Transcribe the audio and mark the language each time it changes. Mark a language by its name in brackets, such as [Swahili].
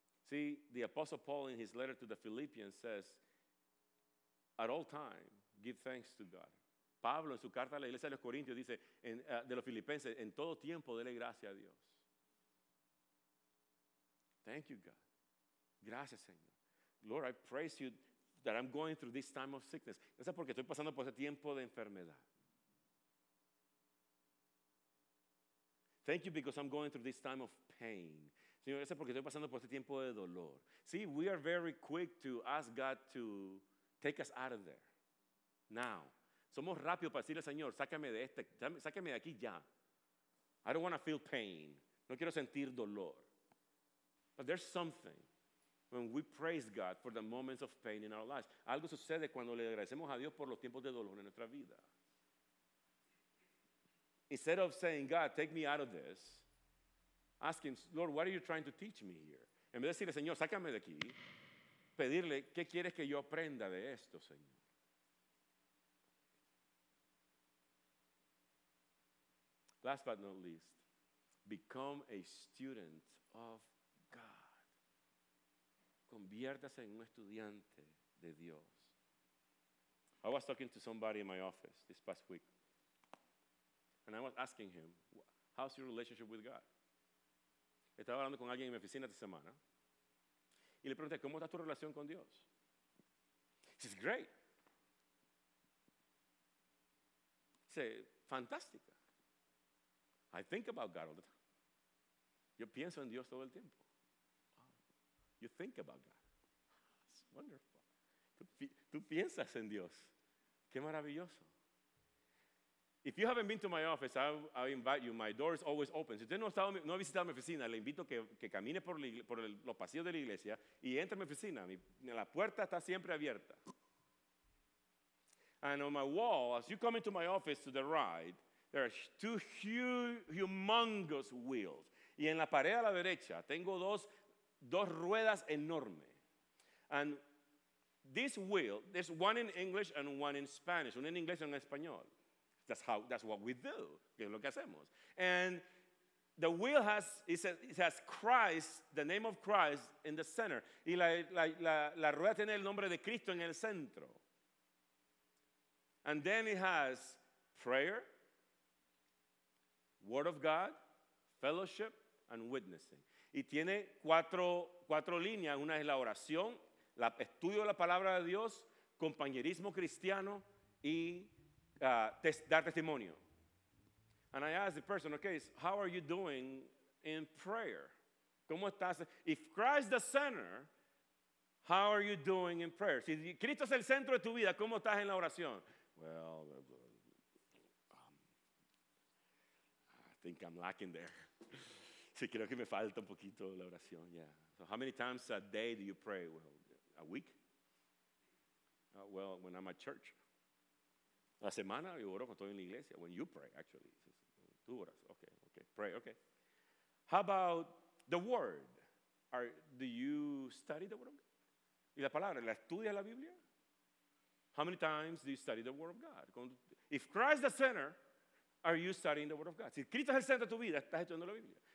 [English] See, the Apostle Paul in his letter to the Philippians says, at all time, give thanks to God. [Spanish] Pablo, en su carta a la iglesia de los Corintios, dice, de los Filipenses, en todo tiempo, dele gracias a Dios. [English] Thank you, God. [Spanish] Gracias, Señor. [English] Lord, I praise you that I'm going through this time of sickness. [Spanish] Gracias porque estoy pasando por ese tiempo de enfermedad. [English] Thank you because I'm going through this time of pain. [Spanish] Señor, gracias porque estoy pasando por este tiempo de dolor. [English] See, we are very quick to ask God to take us out of there. Now. [Spanish] Somos rápidos para decirle, Señor, sácame de aquí ya. [English] I don't want to feel pain. [Spanish] No quiero sentir dolor. [English] But there's something when we praise God for the moments of pain in our lives. [Spanish] Algo sucede cuando le agradecemos a Dios por los tiempos de dolor en nuestra vida. [English] Instead of saying, God, take me out of this, ask him, Lord, what are you trying to teach me here? [Spanish] En vez de decirle, Señor, sácame de aquí, pedirle, ¿qué quieres que yo aprenda de esto, Señor? [English] Last but not least, become a student of God. [Spanish] Conviértase en un estudiante de Dios. [English] I was talking to somebody in my office this past week, and I was asking him, how's your relationship with God? [Spanish] Estaba hablando con alguien en mi oficina esta semana, y le pregunté, ¿cómo está tu relación con Dios? [English] He says, great. [Spanish] Dice, fantástica. [English] I think about God all the time. [Spanish] Yo pienso en Dios todo el tiempo. [English] Wow. You think about God. It's wonderful. [Spanish] Tú piensas en Dios. Qué maravilloso. [English] If you haven't been to my office, I invite you. My door is always open. [Spanish] Si usted no ha visitado mi oficina, le invito que camine por los pasillos de la iglesia y entre a mi oficina. La puerta está siempre abierta. [English] And on my wall, as you come into my office to the right, there are two humongous wheels. [Spanish] Y en la pared a la derecha tengo dos ruedas enormes. [English] And this wheel, there's one in English and one in Spanish. [Spanish] Una en inglés y una en español. [English] That's what we do. [Spanish] Que es lo que hacemos. [English] And the wheel it has Christ, the name of Christ, in the center. [Spanish] Y la rueda tiene el nombre de Cristo en el centro. [English] And then it has prayer, Word of God, fellowship, and witnessing. [Spanish] Y tiene cuatro líneas. Una es la oración, el estudio de la palabra de Dios, compañerismo cristiano y dar testimonio. [English] And I asked the person, okay, how are you doing in prayer? ¿Cómo estás? If Christ the center, how are you doing in prayer? [Spanish] Si Cristo es el centro de tu vida, ¿cómo estás en la oración? [English] Well, think I'm lacking there. [Spanish] Sí, creo que me falta un poquito la oración. [English] Yeah. So how many times a day do you pray? Well, a week? Well, when I'm at church. [Spanish] La semana yo oro cuando estoy en la iglesia. [English] When you pray, actually. [Spanish] Tú oras. [English] Okay. Pray, okay. How about the word? Do you study the word of God? [Spanish] ¿Y la palabra? ¿La estudias la Biblia? [English] How many times do you study the word of God? If Christ the center, are you studying the Word of God? [Spanish] Si Cristo es el centro de tu vida, ¿estás estudiando la Biblia?